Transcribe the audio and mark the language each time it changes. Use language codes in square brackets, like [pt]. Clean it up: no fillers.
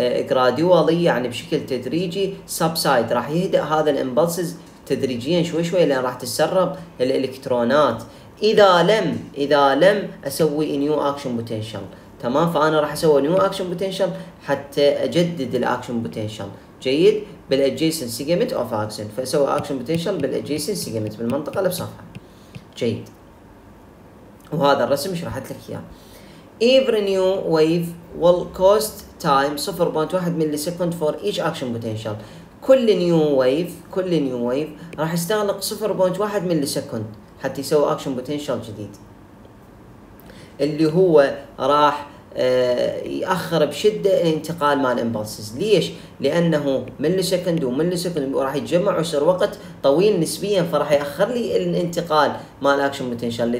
[ar] جراديوالي يعني بشكل تدريجي سبسايد، راح يهدأ هذا الامبلسز تدريجيا شوي شوي لان راح تتسرب الالكترونات، اذا لم اسوي نيو اكشن بوتنشال، تمام؟ فانا راح اسوي نيو اكشن بوتنشال حتى اجدد الاكشن بوتنشال، جيد؟ بالادجيسنت سيجمنت اوف اكسن، فاسوي اكشن بوتنشال بالادجيسنت سيجمنت بالمنطقه اللي بصفها. جيد وهذا الرسم شرحت لك اياه. [en] Every new wave will cost time 0.1 millisecond for each action potential. [ar] كل نيو ويف راح يستغرق 0.1 ملي سكند حتى يسوي اكشن بوتنشال جديد، اللي هو راح ياخر بشده الانتقال مال امبلسز. ليش؟ لانه ملي سكند وملي سكند راح يتجمع ويصير وقت طويل نسبيا، فراح ياخر لي الانتقال مال اكشن بوتنشال.